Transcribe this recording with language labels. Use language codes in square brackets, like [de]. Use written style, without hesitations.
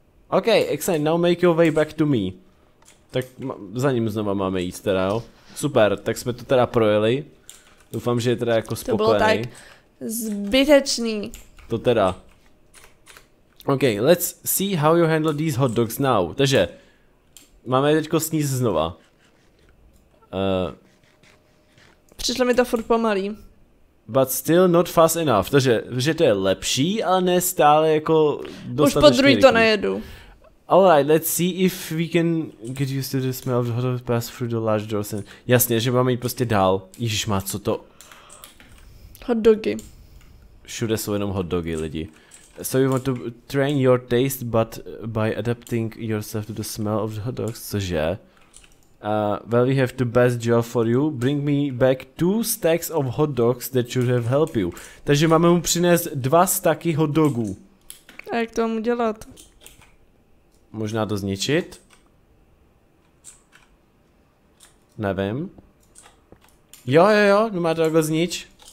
[en] OK, excellent, now make your way back to me. [cs] Tak za ním znova máme jít teda, jo. Super, tak jsme to teda projeli. Doufám, že je teda jako spokojený. To bylo tak zbytečný. To teda. [en] OK, let's see how you handle these hot dogs now. [cs] Takže, máme je teďko sníst znova. Přišlo mi to furt pomalý. [en] But still not fast enough. [cs] Takže, že to je lepší, ale ne stále jako dostatečně. Už po druhý to nejedu. [en] Alright, let's see if we can get used to the smell of the hot dogs pass through the large doors. [cs] Jasně, že máme jít prostě dál. Ježišmá, co to? Hot dogy. Všude jsou jenom hot dogy, lidi. [en] So you want to train your taste, but by adapting yourself to the smell of the hot dogs, [cs] cože? [en] Well, we have the best job for you. Bring me back 2 stacks of hot dogs that should have helped you. [cs] Takže máme mu přinést 2 staky hot dogů. A jak to mám udělat? Možná to zničit? Nevím. Jo, no má to takhle znič.